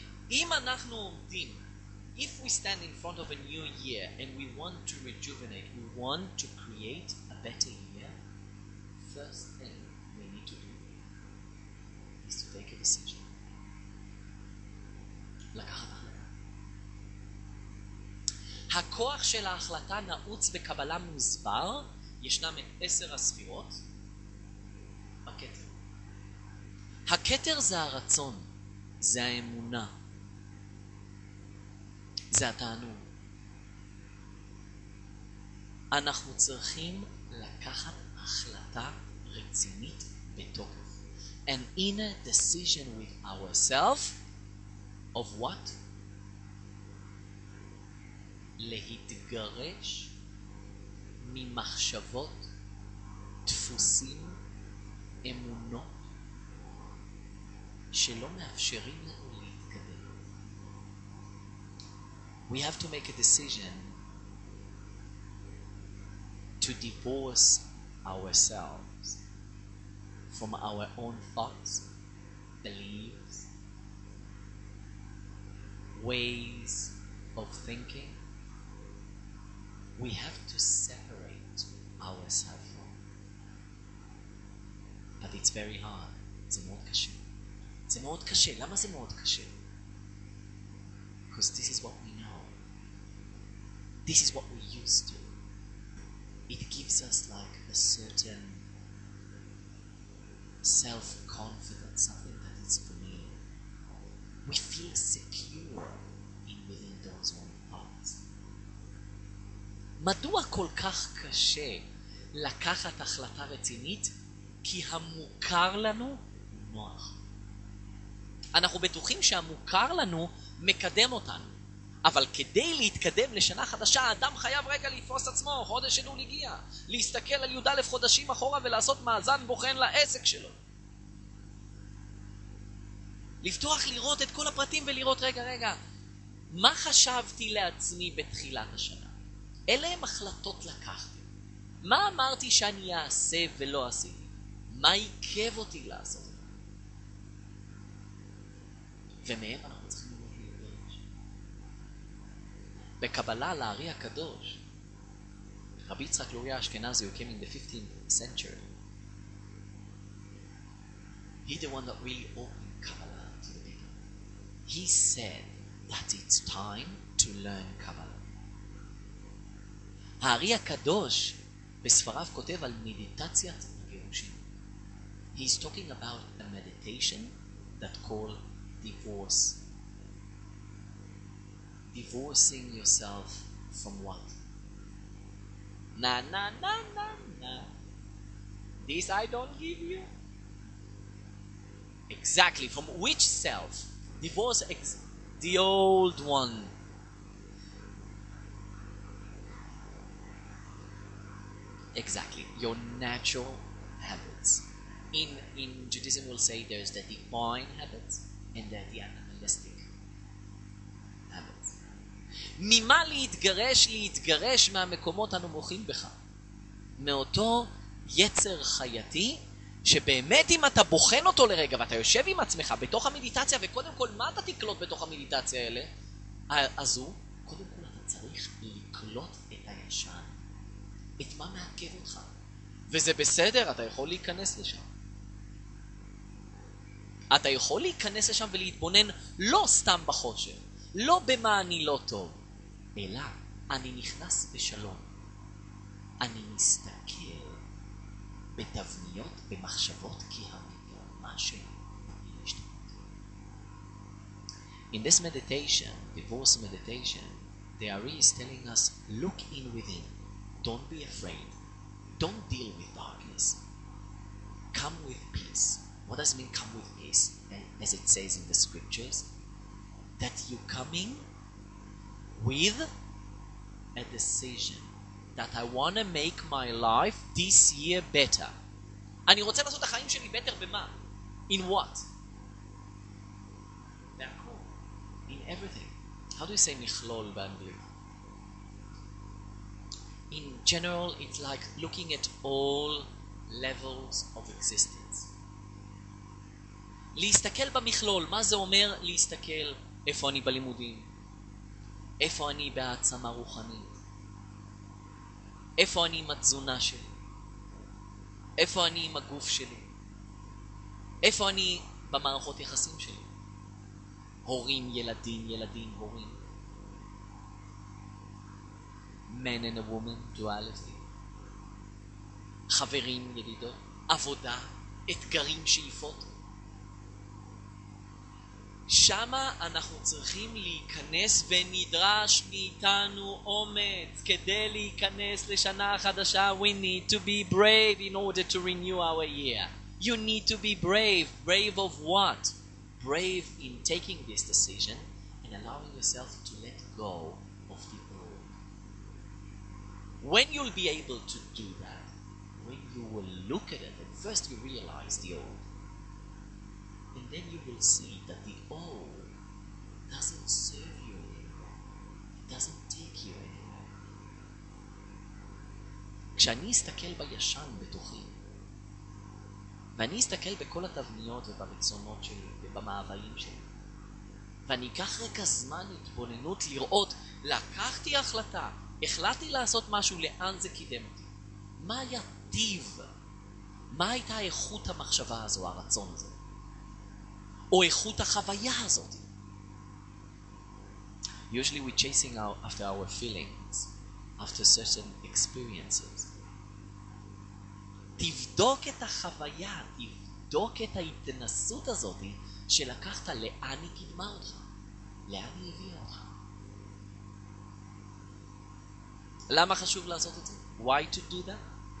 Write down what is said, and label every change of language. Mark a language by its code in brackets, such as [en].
[he] אם אנחנו עומדים, [en] if we stand in front of a new year and we want to rejuvenate, we want to create a better year, first thing we need to do is to take a decision. [he] לקחת החלטה. הכוח של ההחלטה נעוץ בקבלה מוסבר, ישנם את 10 הספירות, הכתר. הכתר זה הרצון, זה האמונה. זה התענו. אנחנו צריכים לקחת החלטה רצינית בתוקף. [en] An inner decision with ourselves of what? [he] להתגרש ממחשבות, דפוסים, אמונות שלא מאפשרים לנו. [en] We have to make a decision to divorce ourselves from our own thoughts, beliefs, ways of thinking. We have to separate ourselves from. But it's very hard. [he] זה מאוד קשה. זה מאוד קשה. למה זה מאוד קשה? [en] Because this is what we know. This is what we used to. It gives us like a certain self-confidence, something that is for me. We feel secure in within those own parts. [he] מדוע כל כך קשה לקחת החלטה רצינית? כי המוכר לנו נוח. אנחנו בטוחים שהמוכר לנו מקדם אותנו. אבל כדי להתקדם לשנה חדשה, האדם חייב רגע לתפוס עצמו, חודש אלול הגיע, להסתכל על י"א חודשים אחורה ולעשות מאזן בוחן לעסק שלו. לפתוח לראות את כל הפרטים ולראות, רגע, מה חשבתי לעצמי בתחילת השנה? אלה הם החלטות לקחתי. מה אמרתי שאני אעשה ולא עשיתי? מה עיכב אותי לעשות? ומהם אנחנו צריכים לראות להתגרש. בקבלה לארי הקדוש, רבי יצחק לוריא אשכנזי, הוא [en] came in the 15th century. He the one that really opened Kabbalah to the people. He said that it's time to learn Kabbalah. הארי הקדוש בספריו כותב על מדיטציית הגירושין. He's talking about a meditation that called divorce. Divorcing yourself from what? Na na na na na. This I don't give you. Exactly. From which self? Divorce the old one. Exactly. Your natural habits. In Judaism we'll say there's the divine habits and then the animalistic habits. [he] ממה להתגרש? להתגרש מהמקומות הנמוכים בך. מאותו יצר חייתי שבאמת אם אתה בוחן אותו לרגע ואתה יושב עם עצמך בתוך המדיטציה, וקודם כל מה אתה תקלוט בתוך המדיטציה האלה? הזו, קודם כל אתה צריך לקלוט את הישן. את מה מעכב אותך. וזה בסדר, אתה יכול להיכנס לשם. אתה יכול להיכנס לשם ולהתבונן לא סתם בחושר, לא במה אני לא טוב, אלא אני נכנס בשלום. אני מסתכל בתבניות, במחשבות, כי המגמה שלי היא להשתפות. [en] In this meditation, divorce meditation, the Ari is telling us, look in within. Don't be afraid. Don't deal with darkness. Come with peace. What does it mean come with peace? As it says in the scriptures, that you coming with a decision that I want to make my life this year better. [he] אני רוצה לעשות את החיים שלי better במה? [en] In what? [he] בהכל. [en] In everything. How do you say [he] מכלול באנגלית? [en] In general, it's like looking at all levels of existence. [he] להסתכל במכלול, מה זה אומר להסתכל איפה אני בלימודים, איפה אני בעצמה רוחנית, איפה אני עם התזונה שלי, איפה אני עם הגוף שלי, איפה אני במערכות יחסים שלי, הורים, ילדים, ילדים, הורים, [en] men and a woman, duality, [he] חברים, ידידות, עבודה, אתגרים, שאיפות, שמה אנחנו צריכים להיכנס, ונדרש מאיתנו אומץ כדי להיכנס לשנה החדשה. [en] We need to be brave in order to renew our year. You need to be brave. Brave of what? Brave in taking this decision and allowing yourself to let go of the old. When you'll be able to do that, when you will look at it, and first you realize the old, and then you will see that the old doesn't serve you anymore. doesn't take you anywhere. [he] כשאני אסתכל בישן בתוכי, ואני אסתכל בכל התבניות וברצונות שלי ובמאוויים שלי, ואני אקח רגע זמן התבוננות לראות, לקחתי החלטה, החלטתי לעשות משהו, לאן זה קידם אותי? מה היה טיב? מה הייתה איכות המחשבה הזו, הרצון הזה? או איכות החוויה הזאת? [en] Usually we're chasing after our feelings, after certain experiences. [he] תבדוק את החוויה, תבדוק את ההתנסות הזאת שלקחת, לאן היא קידמה אותך? לאן היא הביאה אותך? למה חשוב לעשות את זה? [en] Why to do that?